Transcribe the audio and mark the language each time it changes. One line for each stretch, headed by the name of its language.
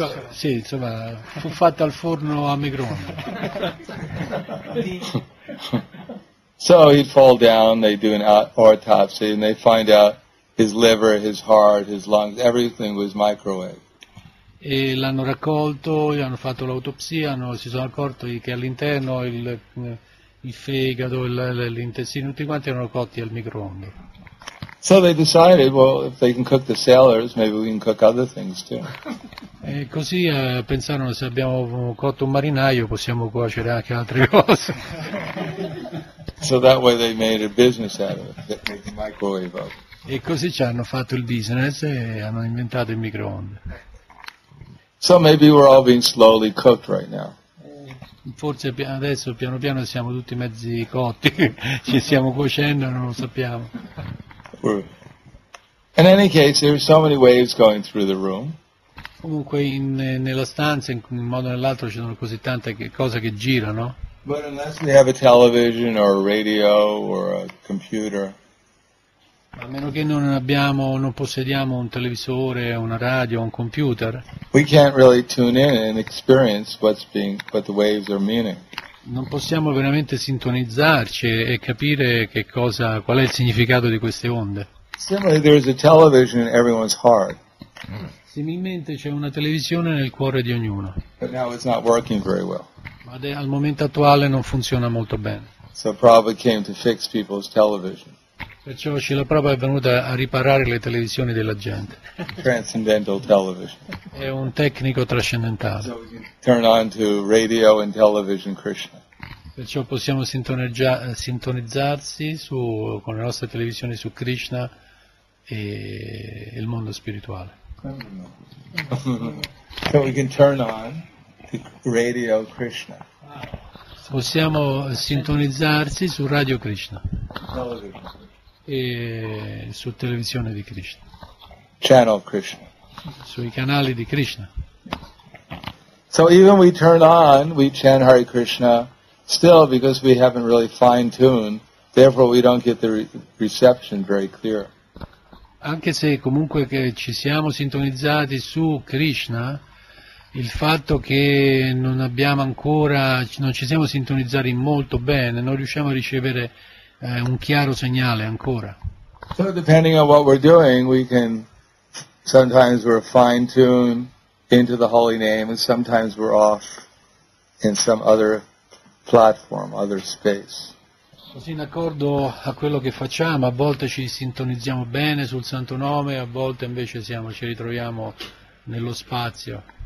Italian: Sì, insomma, fu fatta al forno a microonde.
English: So he'd fall down, they do an autopsy and they find out his liver, his heart, his lungs, everything was microwave.
Italian: E l'hanno raccolto, gli hanno fatto l'autopsia, si sono accorti che all'interno il fegato, l'intestino, tutti quanti erano cotti al microonde.
English: So they decided, well, if they can cook the sailors, maybe we can cook other things too.
Italian: E così pensarono, se abbiamo cotto un marinaio, possiamo cuocere anche altre cose.
English: So that way they made a business out of it, they made the microwave up.
Italian: E così ci hanno fatto il business e hanno inventato il microonde.
English: So maybe we're all being slowly cooked right now.
Italian: Forse adesso piano piano siamo tutti mezzi cotti, ci stiamo cuocendo, non lo sappiamo.
English: In any case, there are so many waves going through the room.
Italian: Comunque nella stanza, in modo o nell'altro, ci sono così tante cose che girano.
English: But unless we have a television or a radio or a computer.
Italian: A meno che non possediamo un televisore, una radio, un computer.
English: We can't really tune in and experience what the waves are meaning.
Italian: Non possiamo veramente sintonizzarci e capire qual è il significato di queste onde.
English: Similarly, there is a television in everyone's heart.
Italian: Similmente c'è una televisione nel cuore di ognuno.
English: But now it's not working very well.
Italian: Ma al momento attuale non funziona molto bene.
English: So Prabhupada came to fix people's television.
Italian: Perciò Srila Prabhupada è venuto a riparare le televisioni della gente.
English: Transcendental television.
Italian: È un tecnico trascendentale.
English: So turn on to radio and television Krishna.
Italian: Perciò possiamo sintonizzarsi con le nostre televisioni su Krishna e il mondo spirituale.
English: So we can turn on to radio Krishna.
Italian: Possiamo sintonizzarsi su radio Krishna. E su televisione di Krishna.
English: Channel Krishna.
Italian: Sui canali di Krishna.
English: So even we turn on, we chant Hare Krishna, still because we haven't really fine-tuned, therefore we don't get the reception very clear.
Italian: Anche se comunque che ci siamo sintonizzati su Krishna, il fatto che non ci siamo sintonizzati molto bene, non riusciamo a ricevere un chiaro segnale ancora.
English: So depending on what we're doing, we can sometimes we're fine-tuned, into the holy name, and sometimes we're off in some other platform, other space.
Italian: Così in accordo a quello che facciamo, a volte ci sintonizziamo bene sul Santo Nome, a volte invece siamo, ci ritroviamo nello spazio.